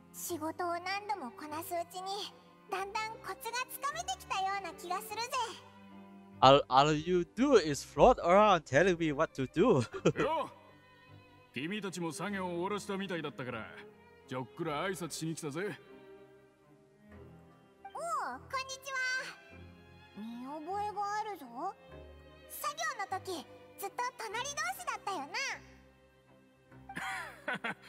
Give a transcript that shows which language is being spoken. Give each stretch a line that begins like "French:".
Japanese: 仕事を何度もこなすうちにだんだんコツがつかめてきたような気がするぜ。
English: All you do is float around telling me what to do.
Japanese: よ、君たちも作業を終わらせたみたいだったからちょっくら挨拶しに来たぜ。おお、こんにちは。見覚えがあるぞ。作業の時ずっと隣同士だったよな。